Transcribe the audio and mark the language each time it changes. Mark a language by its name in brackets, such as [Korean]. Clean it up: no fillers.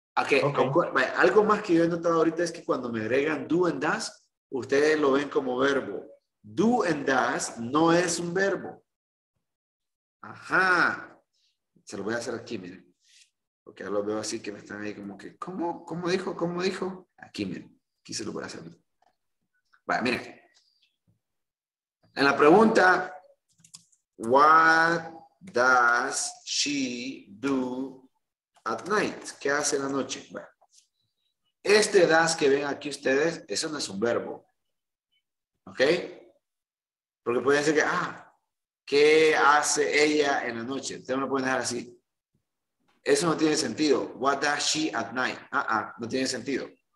[Spanish] Okay. Algo más que yo he notado ahorita es que cuando me agregan do and does, ustedes lo ven como verbo. Do and does no es un verbo. Ajá. Se lo voy a hacer aquí, miren. Porque ya lo veo así que me están ahí como que, ¿cómo dijo? Aquí, miren, aquí se lo voy a hacer. Vale, miren. En la pregunta, [English] what does she do at night? [Spanish] ¿Qué hace en la noche? Bueno, este does que ven aquí ustedes, eso no es un verbo. ¿Ok? Porque pueden decir que, ¿qué hace ella en la noche? Ustedes lo pueden dejar así. Eso no tiene sentido. [English] What does she at night? [Spanish] No tiene sentido.